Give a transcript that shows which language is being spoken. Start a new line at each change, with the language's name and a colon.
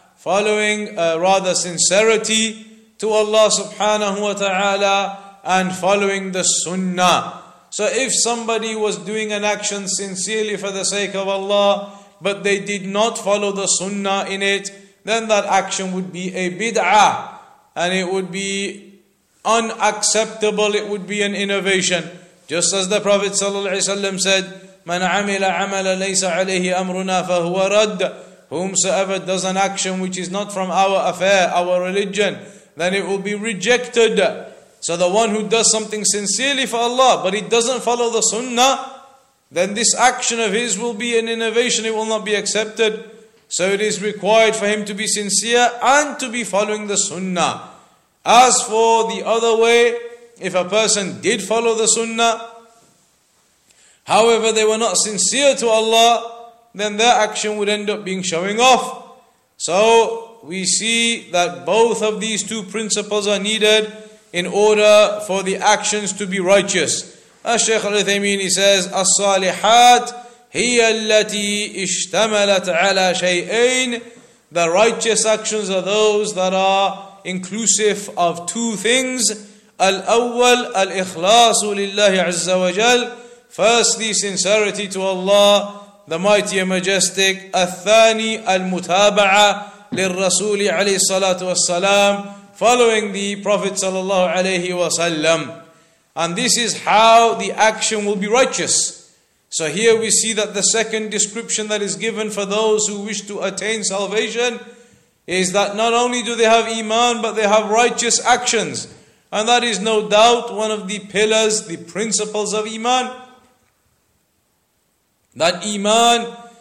English: Following sincerity to Allah subhanahu wa ta'ala, and following the sunnah. So if somebody was doing an action sincerely for the sake of Allah, but they did not follow the sunnah in it, then that action would be a bid'ah, and it would be unacceptable, it would be an innovation. Just as the Prophet ﷺ said,
Arabic: مَنْ عَمِلَ عَمَلَ لَيْسَ عَلَيْهِ أَمْرُنَا فَهُوَ رَدْ.
English: Whomsoever does an action which is not from our affair, our religion, then it will be rejected. So the one who does something sincerely for Allah, but he doesn't follow the sunnah, then this action of his will be an innovation, it will not be accepted. So it is required for him to be sincere and to be following the sunnah. As for the other way, if a person did follow the sunnah, however they were not sincere to Allah, then their action would end up being showing off. So we see that both of these two principles are needed in order for the actions to be righteous. As Shaykh al-Uthaymeen says,
Arabic: الصالحات هي التي اشتملت على شيئين.
English: The righteous actions are those that are inclusive of two things.
Arabic: الأول الإخلاص لله عز وجل.
English: Firstly, sincerity to Allah, the Mighty and Majestic.
Arabic: الثاني المتابعة للرسول عليه الصلاة والسلام.
English: Following the Prophet sallallahu alayhi wa sallam. And this is how the action will be righteous. So here we see that the second description that is given for those who wish to attain salvation is that not only do they have iman, but they have righteous actions. And that is no doubt one of the pillars, the principles of iman. That iman